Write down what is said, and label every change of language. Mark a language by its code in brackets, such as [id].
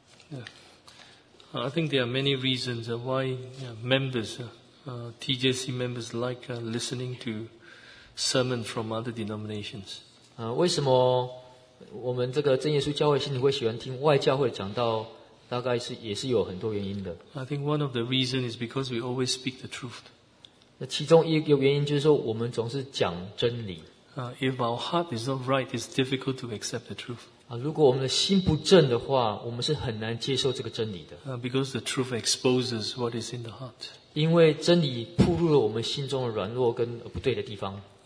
[en] Yeah. I think there are many reasons why members, TJC members, like listening to sermon from other denominations. [zh] 为什么我们这个真耶稣教会信徒会喜欢听外教会讲道？大概是也是有很多原因的。 [en] I think one of the reasons is because we always speak the truth. [zh] 那其中一个原因就是说，我们总是讲真理。 [en] If our heart is not right, it's difficult to accept the truth. [zh] 如果我们的心不正的话，我们是很难接受这个真理的。 [en] Because the truth exposes what is in the heart. [zh] 因为真理暴露了我们心中的软弱跟不对的地方。